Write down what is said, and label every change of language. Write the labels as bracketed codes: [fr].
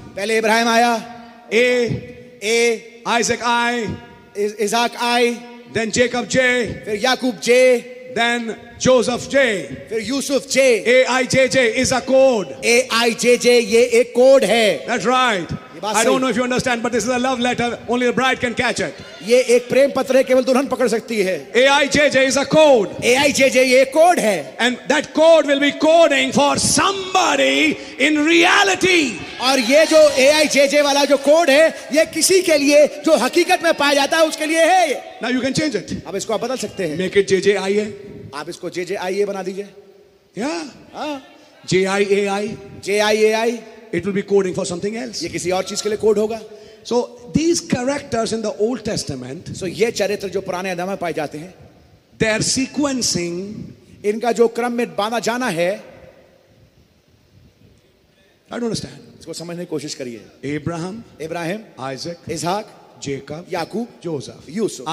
[hi] पहले इब्राहिम आया. [en] A. Isaac I. Isaac I. Then Jacob J. [hi] फिर याकूब J. [en] Then Joseph J. [hi] फिर Yusuf J. [en] AIJJ is a code. [hi] AIJJ ये एक कोड है. [en] That's right. I don't know if you understand, but this is a love letter. Only the bride can catch it. [hi] ये एक प्रेम पत्र है, केवल दुल्हन पकड़ सकती है. [en] AIJJ is a code. [hi] AIJJ ये कोड है. [en] And that code will be coding for somebody in reality. [hi] और ये जो AIJJ वाला जो कोड है, ये किसी के लिए जो हकीकत में पाया जाता है उसके लिए है. [en] Now you can change it. [hi] अब इसको आप बदल सकते हैं. [en] Make it JJIA. [hi] आप इसको JJIA बना दीजिए. [en] Yeah. JIAI. JIAI. It will be coding for something else. [hi] ये किसी और चीज़ के लिए कोड होगा. [en] So these characters in the Old Testament. [hi] So ये चरित्र जो पुराने अहदनामे में पाए जाते हैं. [en] Their sequencing. [hi] इनका जो क्रम में बांधा जाना है. [en] I don't understand. [hi] इसको समझने की कोशिश करिए. [en] Abraham. Abraham. Isaac. Isaac. Jacob. [hi] याकूब. [en] Joseph. [hi] यूसुफ.